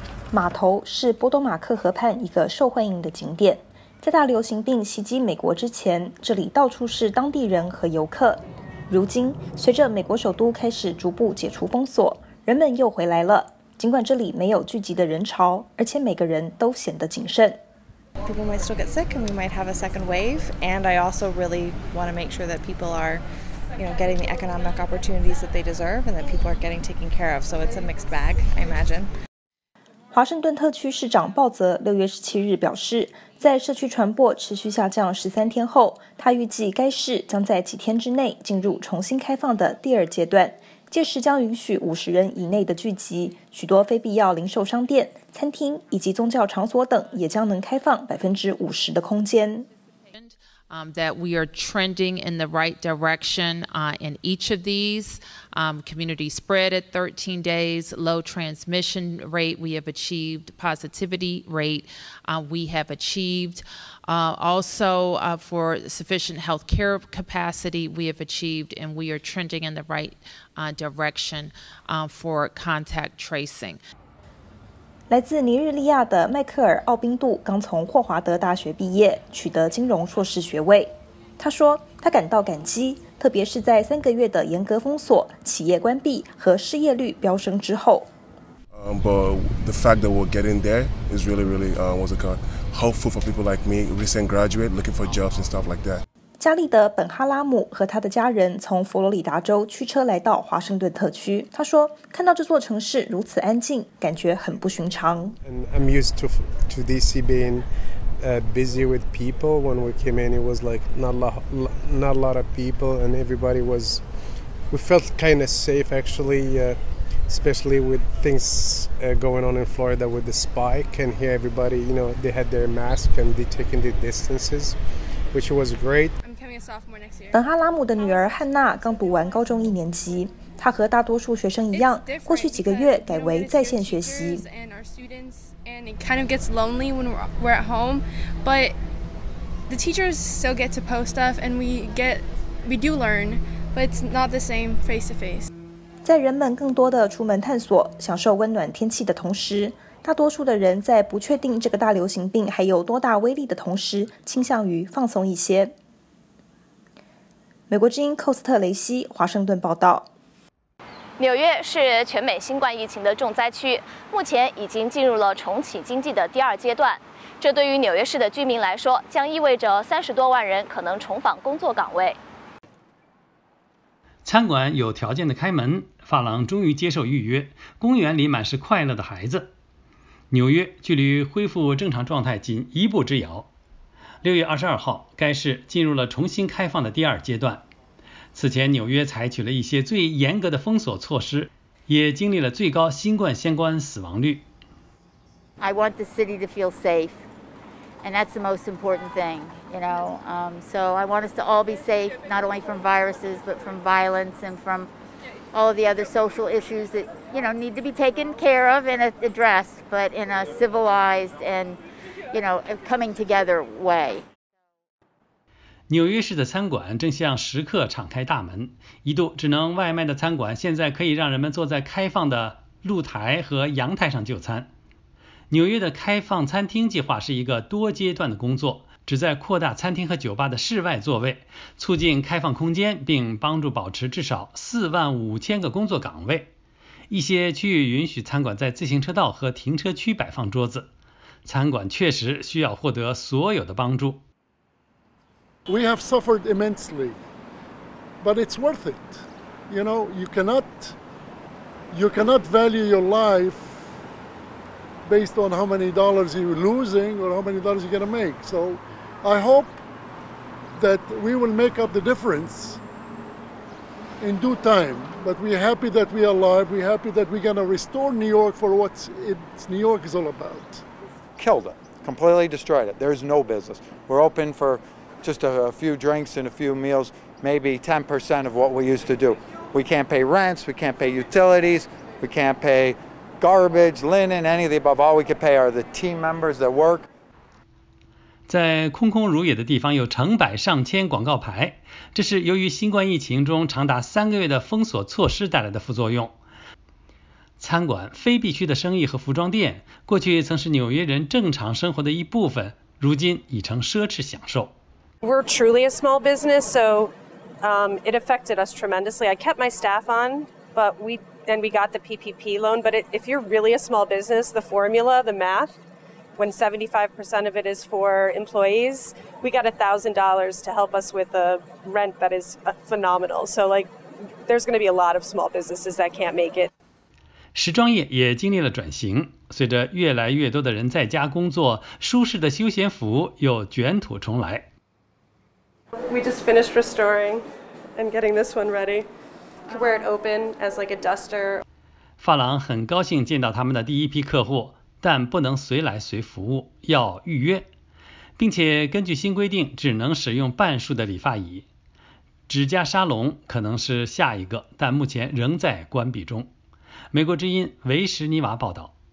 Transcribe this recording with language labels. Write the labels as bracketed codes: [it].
[zh] 码头是波多马克河畔一个受欢迎的景点，在大流行病袭击美国之前，这里到处是当地人和游客。如今，随着美国首都开始逐步解除封锁，人们又回来了。尽管这里没有聚集的人潮，而且每个人都显得谨慎。 [en] People might still get sick, and we might have a second wave. And I also really want to make sure that people are, you know, getting the economic opportunities that they deserve, and that people are getting taken care of. So it's a mixed bag, I imagine. [zh] 华盛顿特区市长鲍泽6月17日表示，在社区传播持续下降13天后，他预计该市将在几天之内进入重新开放的第二阶段，届时将允许50人以内的聚集，许多非必要零售商店、餐厅以及宗教场所等也将能开放50%的空间。 [en] That we are trending in the right direction in each of these. Community spread at 13 days, low transmission rate, we have achieved positivity rate, we have achieved. Also, for sufficient health care capacity, we have achieved, and we are trending in the right direction for contact tracing. [zh] 来自尼日利亚的迈克尔·奥宾杜刚从霍华德大学毕业，取得金融硕士学位。他说，他感到感激，特别是在3个月的严格封锁、企业关闭和失业率飙升之后。 [en] But the fact that we're getting there is really helpful for people like me, recent graduate looking for jobs and stuff like that. [zh] 加利德·本哈拉姆和他的家人从佛罗里达州驱车来到华盛顿特区。他说，看到这座城市如此安静，感觉很不寻常。 [en] And I'm used to DC being busy with people. When we came in, it was like not a lot of people, and everybody was. We felt kind of safe actually. Especially with things going on in Florida with the spike, and here everybody, you know, they had their mask and they taking the distances, which was great. I'm coming a sophomore next year. [zh] 本哈拉姆的女儿汉娜刚读完高中一年级，他和大多数学生一样，过去几个月改为在线学习。 [en] And it kind of gets lonely when we're at home, but the teachers still get to post stuff, and we do learn, but it's not the same face to face. [zh] 在人们更多的出门探索、享受温暖天气的同时，大多数的人在不确定这个大流行病还有多大威力的同时，倾向于放松一些。美国之音寇斯特雷西，华盛顿报道。纽约是全美新冠疫情的重灾区，目前已经进入了重启经济的第二阶段。这对于纽约市的居民来说，将意味着30多万人可能重返工作岗位。餐馆有条件的开门，发廊终于接受预约，公园里满是快乐的孩子。纽约距离恢复正常状态仅一步之遥。 6月22号，该市进入了重新开放的第二阶段。此前纽约采取了一些最严格的封锁措施，也经历了最高新冠相关死亡率。 [en] I want the city to feel safe, and that's the most important thing, you know. So I want us to all be safe, not only from viruses, but from violence and from all of the other social issues that, you know, need to be taken care of and addressed, but in a civilized and, you know, coming together way. [zh] 纽约市的餐馆正向食客敞开大门，一度只能外卖的餐馆现在可以让人们坐在开放的露台和阳台上就餐。纽约的开放餐厅计划是一个多阶段的工作，旨在扩大餐厅和酒吧的室外座位，促进开放空间，并帮助保持至少45000个工作岗位。一些区域允许餐馆在自行车道和停车区摆放桌子，餐馆确实需要获得所有的帮助。 [en] We have suffered immensely, but it's worth it. You know, you cannot value your life based on how many dollars you're losing or how many dollars you're going to make. So I hope that we will make up the difference in due time. But we're happy that we're alive. We're happy that we're going to restore New York for what New York is all about. Killed it. Completely destroyed it. There's no business. We're open for... just a few drinks and a few meals, maybe 10% of what we used to do. We can't pay rents, we can't pay utilities, we can't pay garbage, linen, any of the above. All we can pay are the team members that work. [zh] 在空空如也的地方有成百上千广告牌，这是由于新冠疫情中长达3个月的封锁措施带来的副作用。餐馆、非必需的生意和服装店，过去曾是纽约人正常生活的一部分，如今已成奢侈享受。 [en] We're truly a small business, so it affected us tremendously. I kept my staff on, but we got the PPP loan. But if you're really a small business, the formula, the math, when 75% of it is for employees, we got $1,000 to help us with a rent that is phenomenal. So like, there's going to be a lot of small businesses that can't make it. [zh] 时装业也经历了转型，随着越来越多的人在家工作，舒适的休闲服又卷土重来。 [en] We just finished restoring and getting this one ready. Could wear it open as like a duster. [zh] 发廊很高兴见到他们的第一批客户，但不能随来随服务，要预约，并且根据新规定只能使用半数的理发椅。指甲沙龙可能是下一个，但目前仍在关闭中。美国之音维什尼瓦报道。